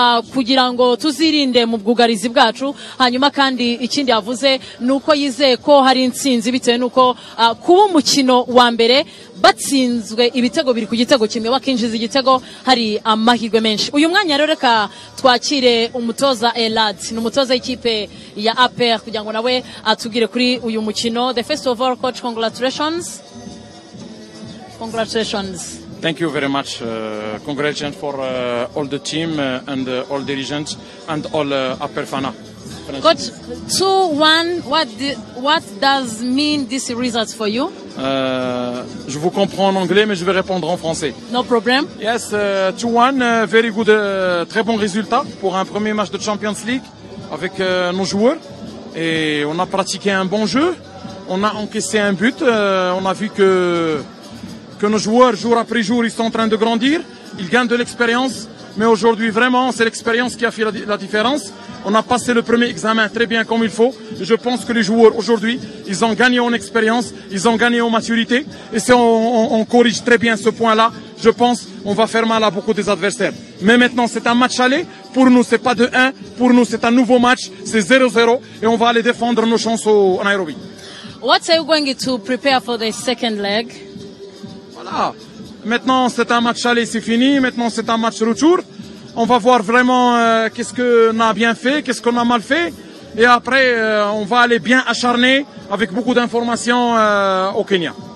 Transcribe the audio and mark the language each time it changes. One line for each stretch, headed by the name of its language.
Kinyarwanda: kugira ngo tuzirinde mu bwugarizi bwacu hanyuma kandi ikindi yavuze nuko yizeye ko hari insinzi bitewe nuko kuba umukino wa mbere batsinzwe ibitego biri ku gitego kimwe bakinjiza igitego hari amahirwe menshi uyu mwanya rero reka twakire umutoza Elad ni umutoza ikipe ya APR kugira ngo nawe atugire kuri uyu mukino
English: the first of all coach congratulations Thank you very much. Congratulations for all the team and all the dirigeants and all APR Fana. Coach, 2-1, what does mean this result for you?
French: Je vous comprends en anglais, mais je vais répondre en français.
English: No problem. Yes, 2-1, very good,
French: très bon résultat pour un premier match de Champions League avec nos joueurs. Et on a pratiqué un bon jeu, on a encaissé un but, on a vu que... Que nos joueurs, jour après jour, ils sont en train de grandir. Ils gagnent de l'expérience. Mais aujourd'hui, vraiment, c'est l'expérience qui a fait la différence. On a passé le premier examen très bien comme il faut. Et je pense que les joueurs, aujourd'hui, ils ont gagné en expérience. Ils ont gagné en maturité. Et si on corrige très bien ce point-là, je pense qu'on va faire mal à beaucoup des adversaires. Mais maintenant, c'est un match aller. Pour nous, ce n'est pas 2-1. Pour nous, c'est un nouveau match. C'est 0-0. Et on va aller défendre nos chances en Nairobi.
English: What are you going to prepare for the second leg?
French: Ah, maintenant c'est un match aller, c'est fini. Maintenant c'est un match retour. On va voir vraiment qu'est-ce qu'on a bien fait, qu'est-ce qu'on a mal fait. Et après, on va aller bien acharner avec beaucoup d'informations au Kenya.